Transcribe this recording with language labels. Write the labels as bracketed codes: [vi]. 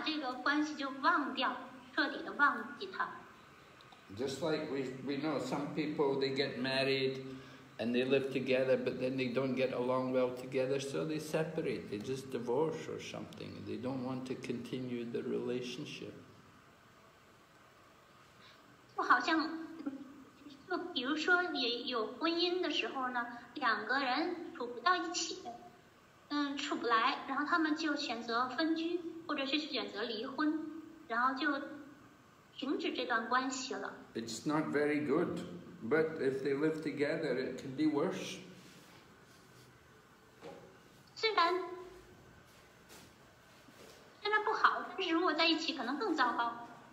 [zh] 这就取决您自己了。如果这个麻烦太麻烦了的话，那您就可以离得远远的，然后把这个关系就忘掉，彻底的忘记它。 [en] Just like we know some people, they get married and they live together, but then they don't get along well together, so they separate, they just divorce or something. They don't want to continue the relationship. [zh] 就好像，就比如说也有婚姻的时候呢，两个人处不到一起，处不来，然后他们就选择分居，或者是选择离婚，然后就停止这段关系了。 [en] It's not very good, but if they live together, it can be worse. [zh] 虽然不好，但是如果在一起，可能更糟糕。